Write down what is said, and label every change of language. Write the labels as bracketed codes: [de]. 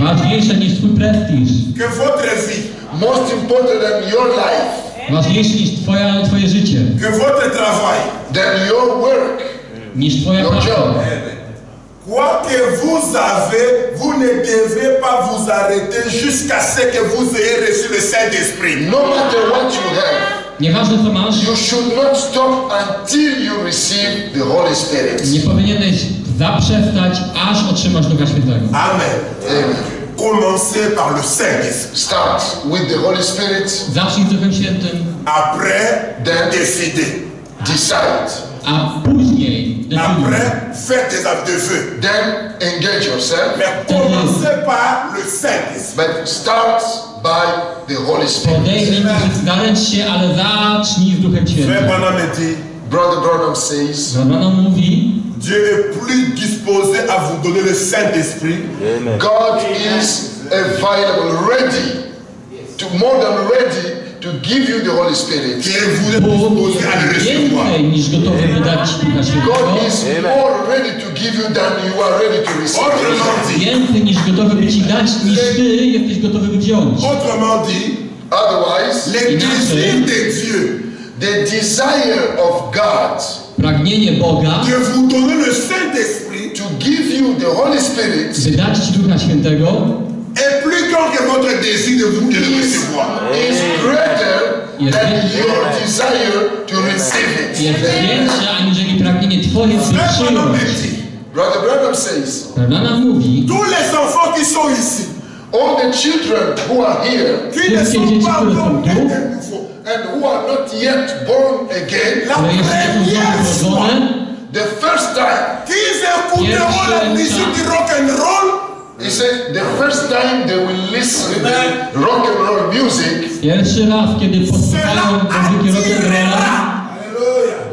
[pl] Ważniejsze niż twój prestiż. [fr] Que votre vie. [en] Most important than your life. [pl] Ważniejsze niż twoje życie. [fr] Que votre travail. [en] Than your work. [pl] Niż twoja praca. [fr] Quoi que vous avez, vous ne devez pas vous arrêter jusqu'à ce que vous ayez reçu le Saint-Esprit. [en] No matter what you have. [pl] Nieważne co masz. [en] You should not stop until you receive the Holy Spirit. [pl] Nie powinieneś zaprzestać, aż otrzymasz Ducha Świętego. Amen. Amen. [fr] Commencez par le Saint-Esprit. [en] Start with the Holy Spirit. [pl] Zacznij z Duchem Świętym. [fr] Après, [en] then [fr] décide. Decide. [pl] A później, [fr] après, faites des actes de feu. [en] Then engage yourself. [fr] Mais commencez par le Saint-Esprit. [en] But start by the Holy Spirit. [pl] Podejmij zgadzać się, ale zacznij z Duchem Świętym. [en] Brother Branham says. [pl] Branham mówi. [fr] Dieu est plus disposé à vous donner le Saint-Esprit. Amen. [en] God is available, ready, to more than ready to give you the Holy Spirit. [fr] Dieu vous est disposé à le recevoir. [en] God is more ready to give you than you are ready to receive. [pl] Więcej niż gotowy by ci dać, niż ty jesteś gotowy wziąć. [fr] Autrement dit, [en] otherwise, [fr] le désir de Dieu, [en] the desire of God. [pl] Pragnienie Boga, [fr] que vous donnez le Saint-Esprit, [en] to give you the Holy Spirit, [pl] wydać Ci Ducha Świętego, [fr] est plus grand que votre désir de vous de recevoir. [pl] Jest większe, aniżeli pragnienie Twoje przyjąć. [en] Brother Branham says, [pl] Branham mówi, [fr] tous les enfants qui sont ici, [en] all the children who are here, [fr] qui ne sont pas nouveaux, [en] and who are not yet born again, [fr] la première fois, [en] the first time, [fr] qu'ils écouteront la musique du rock and roll, [en] he said, the first time they will listen to rock and roll music, [pl] pierwszy raz, kiedy posłuchają muzyki rock and roll,